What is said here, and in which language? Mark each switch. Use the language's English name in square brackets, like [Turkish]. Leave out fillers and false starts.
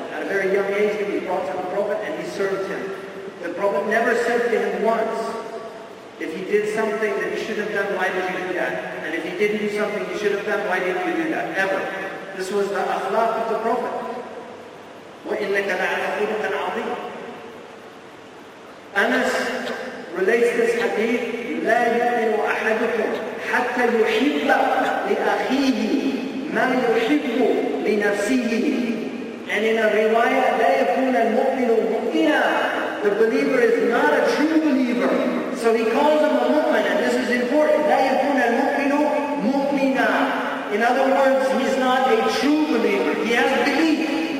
[English] At a very young age, he was brought to the Prophet and he served him. The Prophet never said to him once, if he did something that he should have done, why did you do that? And if he didn't do something he should have done, why didn't you do that? Ever. This was the akhlaq of the Prophet. [Arabic] وَإِنَّكَ لَعَلَى خُلُقٍ عَظِيمٍ. [English] Anas relates this hadith, [Arabic] لَا يُؤْمِنُ أَحَدُكُمْ حَتَّى يُحِبَّ لِأَخِيهِ مَا يُحِبُّ لِنَفْسِهِ. [English] And in a riwayah, [Arabic] لَا يَكُونَ الْمُؤْمِنُ مُؤْمِنًا. [English] The believer is not a true believer. So he calls him a mu'min, and this is important. [Arabic] لَا يَكُونَ الْمُؤْمِنُ مُؤْمِنًا. [English] In other words, he's not a true believer. He has belief.